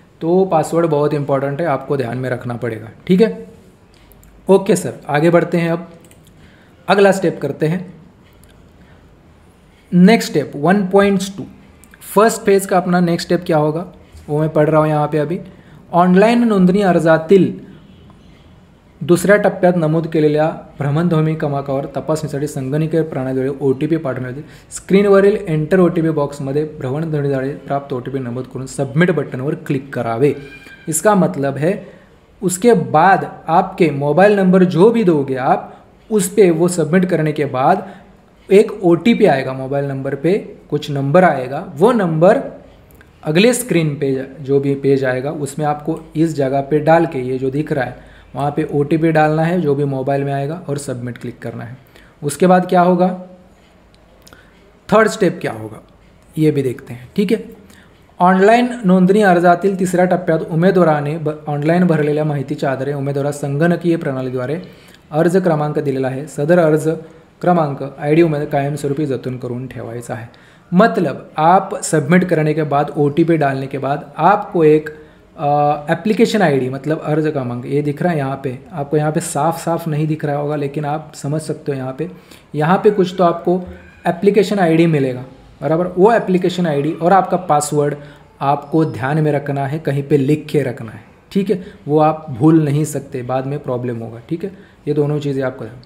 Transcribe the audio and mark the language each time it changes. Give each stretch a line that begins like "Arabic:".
Hindi: तो पासवर्ड बहुत इंपॉर्टेंट है, आपको ध्यान में रखना पड़ेगा, ठीक है। ओके सर, आगे बढ़ते हैं, अब अगला स्टेप करते हैं, नेक्स्ट स्टेप 1.2। फर्स्ट फेज का अपना नेक्स्ट स्टेप क्या होगा वो मैं पढ़ रहा हूँ यहाँ पे अभी।
Marathi: ऑनलाइन नोंदणी अर्जातील दुसऱ्या टप्प्यात नमूद केलेल्या भ्रमणध्वनी क्रमांकावर तपासणीसाठी संगणकीय प्रणालीद्वारे OTP पाठवण्यात येईल। स्क्रीनवरील एंटर OTP बॉक्समध्ये भ्रमणध्वनीद्वारे प्राप्त OTP नमूद करून सबमिट बटनवर क्लिक करावे।
Hindi: इसका मतलब है उसके बाद आपके मोबाइल नंबर जो भी दोगे आप उस पे, वो सबमिट करने के बाद एक OTP आएगा मोबाइल नंबर पे, कुछ नंबर आएगा, वो नंबर अगले स्क्रीन पे जो भी पेज आएगा उसमें आपको इस जगह पे डाल के, ये जो दिख रहा है वहाँ पे OTP डालना है जो भी मोबाइल में आएगा, और सबमिट क्लिक करना है। उसके बाद क्या होगा, थर्ड स्टेप क्या होगा ये भी देखते हैं, ठीक है।
Marathi: ऑनलाइन नोंदणी अर्जातील तिसऱ्या टप्प्यात उमेदवाराने ऑनलाइन भरलेल्या माहितीच्या आधारे उमेदवारास संगणकीय प्रणालीद्वारे अर्ज क्रमांक दिलेला आहे, सदर अर्ज क्रमांक आयडी उमेद कायमस्वरूपी जतन करून ठेवायचा आहे।
Hindi: मतलब आप सबमिट करने के बाद OTP डालने के बाद आपको एक एप्लीकेशन आईडी, मतलब अर्ज क्रमांक, ये दिख रहा है यहाँ पे, आपको यहाँ पे साफ साफ नहीं दिख रहा होगा लेकिन आप समझ सकते हो, यहाँ पे कुछ तो आपको एप्लीकेशन आईडी मिलेगा, बराबर, वो एप्लीकेशन आईडी और आपका पासवर्ड आपको ध्यान में रखना है, कहीं पे लिख के रखना है, ठीक है, वो आप भूल नहीं सकते, बाद में प्रॉब्लम होगा, ठीक है, ये दोनों चीज़ें आपको।